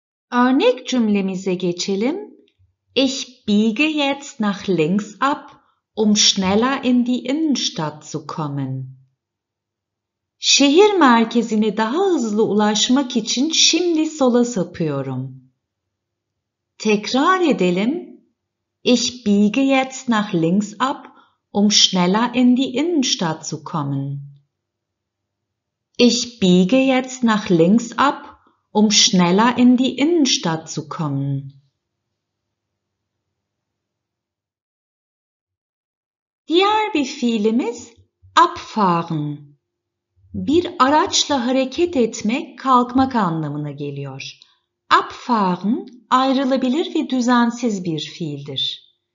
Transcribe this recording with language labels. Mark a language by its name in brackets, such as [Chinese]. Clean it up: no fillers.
[Turkish] Örnek cümlemize geçelim. [German] Ich biege jetzt nach links ab, um schneller in die Innenstadt zu kommen. [Turkish] Şehir merkezine daha hızlı ulaşmak için şimdi sola sapıyorum. Tekrar edelim. [German] Ich biege jetzt nach links ab, um schneller in die Innenstadt zu kommen. Ich biege jetzt nach links ab, um schneller in die Innenstadt zu kommen. [Turkish] Diğer bir fiilimiz abfahren. Bir araçla hareket etmek, kalkmak anlamına geliyor. Abfahren ayrılabilir ve düzensiz bir fiildir.